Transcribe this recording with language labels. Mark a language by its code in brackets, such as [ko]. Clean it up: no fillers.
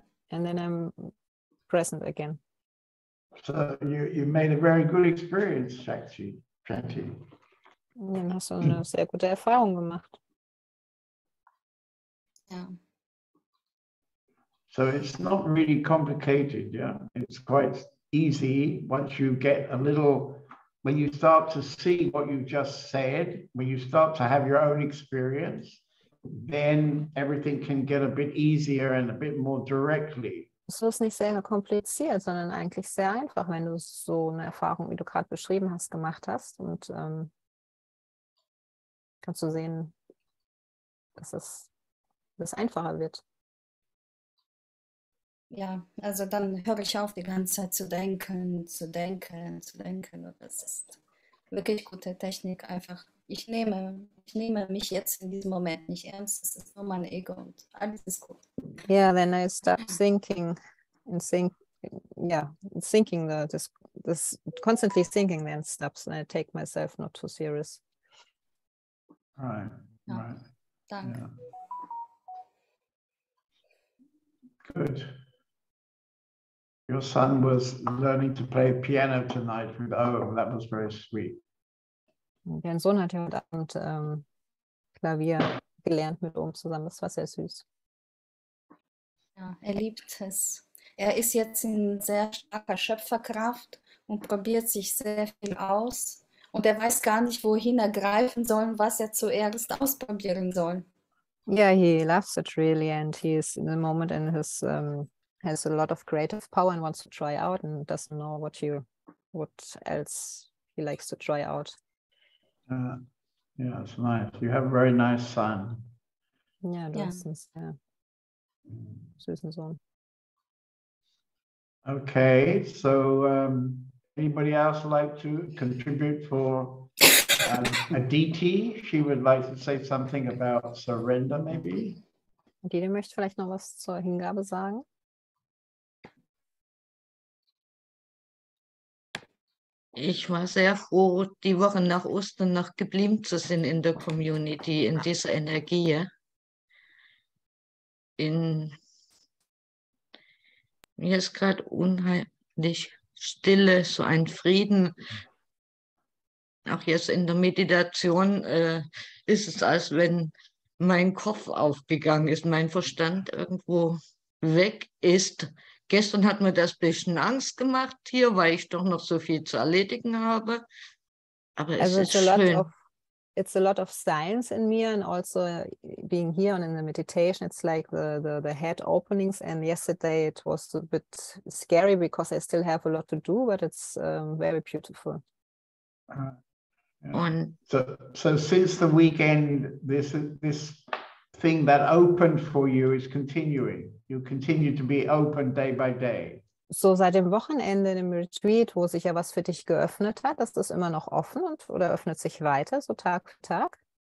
[en] And then I'm present again. So you made a very good experience, actually, Shanti. Dann hast du eine sehr gute Erfahrung gemacht. [de] Ja. [en] So it's not really complicated, yeah. It's quite easy once you get a little, when you start to see what you just said, when you start to have your own experience, then everything can get a bit easier and a bit more directly. [de] Es ist nicht sehr kompliziert, sondern eigentlich sehr einfach, wenn du so eine Erfahrung, wie du gerade beschrieben hast, gemacht hast. Und kannst du sehen, dass es einfacher wird. Ja, also dann höre ich auf, die ganze Zeit zu denken. Und das ist wirklich gute Technik. Einfach, ich nehme mich jetzt in diesem Moment nicht ernst. Das ist nur mein Ego und alles ist gut. [en] Yeah, then I stop thinking and think. Yeah, thinking the this constantly thinking then stops and I take myself not too serious. Right. Ja. Right. [de] Danke. [en] Yeah. Good. Your son was learning to play piano tonight with Owen. That was very sweet. [de] Dein Sohn hat heute Abend Klavier gelernt mit Owen zusammen. Das war sehr süß. Ja, er liebt es. Er ist jetzt in sehr starker Schöpferkraft und probiert sich sehr viel aus. Und er weiß gar nicht, wohin er greifen soll, was er zuerst ausprobieren soll. [en] Yeah, he loves it really and he is in the moment in his has a lot of creative power and wants to try out and doesn't know what else he likes to try out. Yeah, it's nice. You have a very nice son. [de] Yeah, du hast einen sehr süßen Sohn. [en] Okay, so anybody else like to contribute for Aditi? She would like to say something about surrender, maybe. [de] Aditi möchte vielleicht noch was zur Hingabe sagen. Ich war sehr froh, die Woche nach Ostern noch geblieben zu sein in der Community, in dieser Energie. Mir ist gerade unheimlich Stille, so ein Frieden. Auch jetzt in der Meditation ist es, als wenn mein Kopf aufgegangen ist, mein Verstand irgendwo weg ist. Gestern hat mir das ein bisschen Angst gemacht hier, weil ich doch noch so viel zu erledigen habe. Aber es ist schön. [en] it's a lot of science in me, and also being here and in the meditation, it's like the head openings. And yesterday it was a bit scary because I still have a lot to do, but it's very beautiful. So since the weekend, this thing that opened for you is continuing. You continue to be open day by day. [de] So seit dem Wochenende im Retreat, wo sich ja was für dich geöffnet hat, ist das immer noch offen und oder öffnet sich weiter, so Tag für Tag?